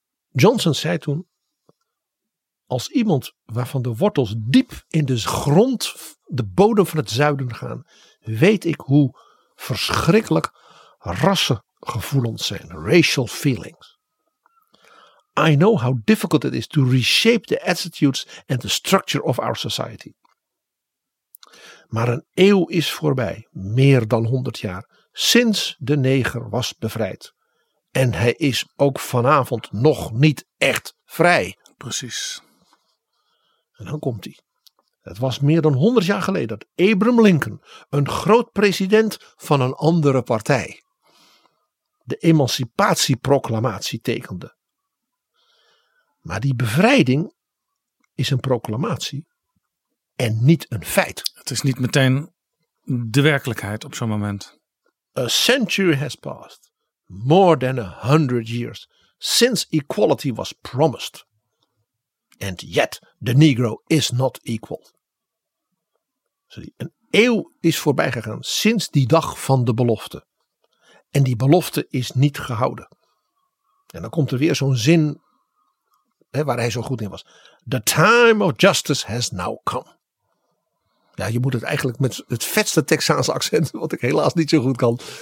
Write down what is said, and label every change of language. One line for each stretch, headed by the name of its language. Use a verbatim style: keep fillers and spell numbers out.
Dutch: Johnson zei toen, als iemand waarvan de wortels diep in de grond, de bodem van het zuiden gaan, weet ik hoe verschrikkelijk rassengevoelens zijn,
English: racial feelings. I know how difficult it is to reshape the attitudes and the structure of our society.
Dutch: Maar een eeuw is voorbij, meer dan honderd jaar, sinds de neger was bevrijd. En hij is ook vanavond nog niet echt vrij. Precies. En dan komt hij. Het was meer dan honderd jaar geleden dat Abraham Lincoln, een groot president van een andere partij, de emancipatieproclamatie tekende. Maar die bevrijding is een proclamatie en niet een feit. Het is niet meteen de werkelijkheid op zo'n moment.
English: A century has passed more than a hundred years since equality was promised. And yet the Negro is not equal.
Dutch: Een eeuw is voorbij gegaan sinds die dag van de belofte. En die belofte is niet gehouden. En dan komt er weer zo'n zin, hè, waar hij zo goed in was.
English: The time of justice has now come.
Dutch: Ja, je moet het eigenlijk met het vetste Texaanse accent, wat ik helaas niet zo goed kan.